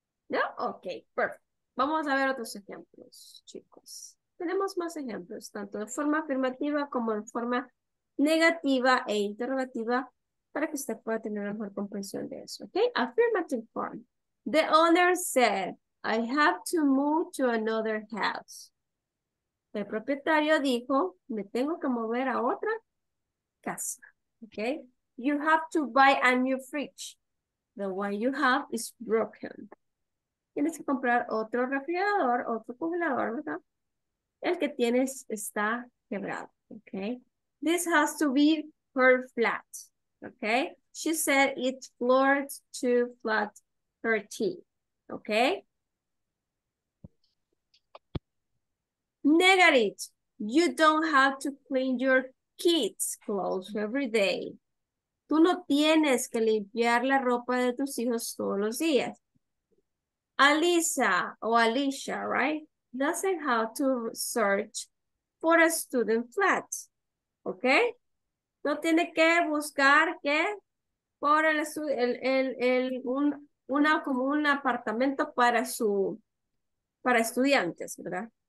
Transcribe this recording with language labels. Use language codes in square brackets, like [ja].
[es] No? [en] Okay, perfect. [es] Vamos a ver otros ejemplos, chicos. Tenemos más ejemplos, tanto de forma afirmativa como en forma negativa e interrogativa, para que usted pueda tener una mejor comprensión de eso. [en] Okay? Affirmative form. The owner said, I have to move to another house. [es] El propietario dijo, me tengo que mover a otra casa. Okay? [en] You have to buy a new fridge. The one you have is broken. [es] Tienes que comprar otro refrigerador, otro congelador, ¿verdad? El que tienes está quebrado, [en] okay? This has to be her flat, okay? She said it's floor to flat 13, okay? Negative, you don't have to clean your kids' clothes every day. [es] Tú no tienes que limpiar la ropa de tus hijos todos los días. [en] Alisa o Alicia, right? Doesn't have to search for a student flat, okay? [es] No tiene que buscar que por un apartamento para estudiantes, ¿verdad?